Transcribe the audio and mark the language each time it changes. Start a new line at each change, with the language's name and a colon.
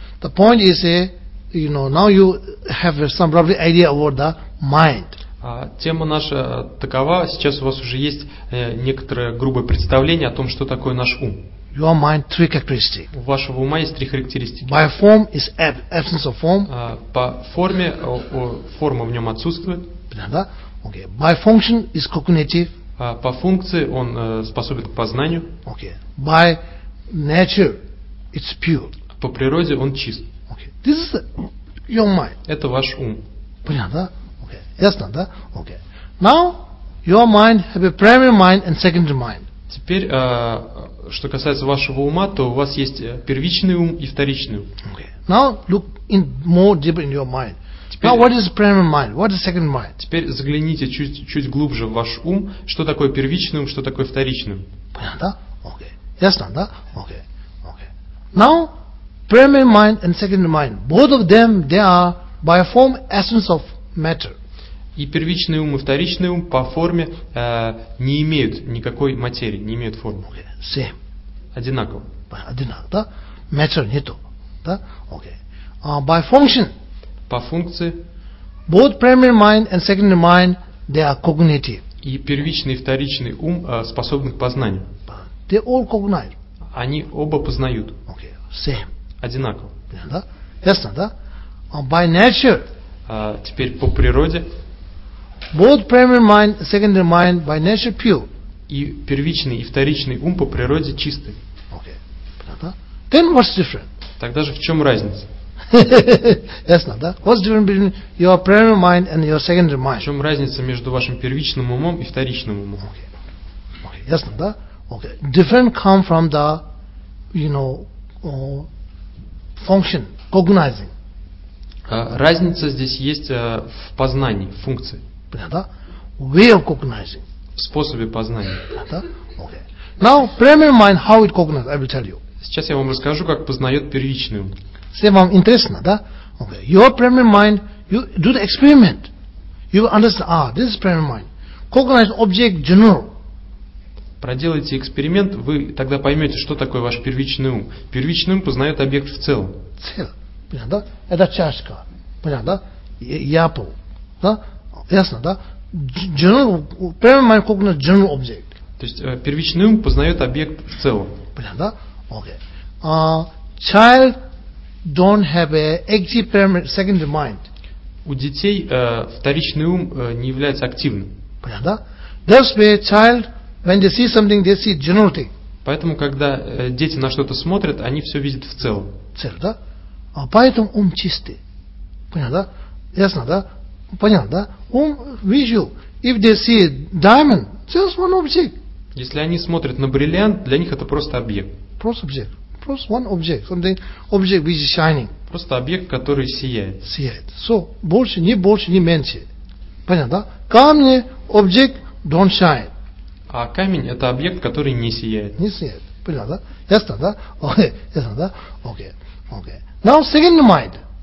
English: The point is, you know, now you have some roughly idea about the mind.
Russian: Тема наша такова. Сейчас у вас уже есть некоторое грубое представление о том, что такое наш ум.
English: Your mind three characteristics.
Russian: У вашего ума есть три характеристики.
English: By form is absence of form.
Russian: По форме форма в нем отсутствует. Понятно?
English: Okay. By function is cognitive.
Russian: По функции он способен к познанию.
English: Okay. By nature, it's pure.
Russian: По природе он чист.
English: Okay. This is your mind.
Russian: Это ваш ум. Понятно, да? Okay. Ясно, да? Okay.
English: Now your mind have a primary mind and secondary mind.
Russian: Теперь, что касается вашего ума, то у вас есть первичный ум и вторичный ум. Okay.
English: Now look in more deeper in your mind. Now what is primary mind? What is second mind?
Russian: Теперь загляните чуть-чуть глубже в ваш ум. Что такое первичный ум, что такое вторичный ум? Понятно? Okay. Ясно, да? Okay. Okay.
English: Now primary mind and second mind. Both of them they are by form essence of matter.
Russian: И первичный ум и вторичный ум по форме не имеют никакой материи, не имеют формы.
English: Okay. Same.
Russian: Одинаково. Одинаково, да? Matter нету, да? Okay.
English: By function.
Russian: По функции.
English: Both primary mind and secondary mind, they are cognitive.
Russian: И первичный и вторичный ум способны к познанию.
English: They all cognize.
Russian: Они оба познают.
English: Okay. Same.
Russian: Одинаково. Да? Ясно, да?
English: By nature.
Russian: Теперь по природе.
English: Both primary mind and secondary mind by nature pure.
Russian: И первичный и вторичный ум по природе чисты.
English: Okay.
Russian: Да?
English: Then what's different?
Russian: Тогда же в чем разница? Ясно, да?
English: What's different between your primary mind and your secondary mind?
Russian: В чем разница между вашим первичным умом и вторичным умом? Okay. Okay. Ясно, да? Okay.
English: Different come from the, you know, function, cognizing.
Russian: Разница здесь есть в познании, в функции. Да?
English: Way of cognizing.
Russian: В способе познания. Да? Okay.
English: Now, primary mind, how it cognizes, I will tell you.
Russian: Сейчас я вам расскажу, как познает первичный ум. Все вам интересно, да?
English: Okay. Your primary mind, you do the experiment. You understand, this is primary mind. Cognize object general.
Russian: Проделайте эксперимент, вы тогда поймете, что такое ваш первичный ум. Первичный ум познает объект в целом. Цель. Понятно, да? Это чашка. Понятно, да? Apple. Да? Ясно, да?
English: General, primary mind cognize general object.
Russian: То есть первичный ум познает объект в целом. Понятно, да? Okay.
English: Child don't have a active primary secondary mind.
Russian: У детей вторичный ум не является активным. Понятно, да?
English: That's where child, when they see something, they see general thing.
Russian: Поэтому, когда дети на что-то смотрят, они все видят в целом. Цель, да? А поэтому ум чистый. Понятно, да? Ясно, да? Понятно, да?
English: Ум visual. If they see diamond, just one object.
Russian: Если они смотрят на бриллиант, для них это просто объект. Просто объект. Просто
English: one object, something object which is shining.
Russian: Просто объект, который сияет. Сияет. So больше, не больше, не меньше. Понятно, да? Камни
English: object don't shine.
Russian: А камень это объект, который не сияет. Не сияет. Понятно, да? Ясно, да? Okay. Ясно, да? Okay. Okay. Now second mind.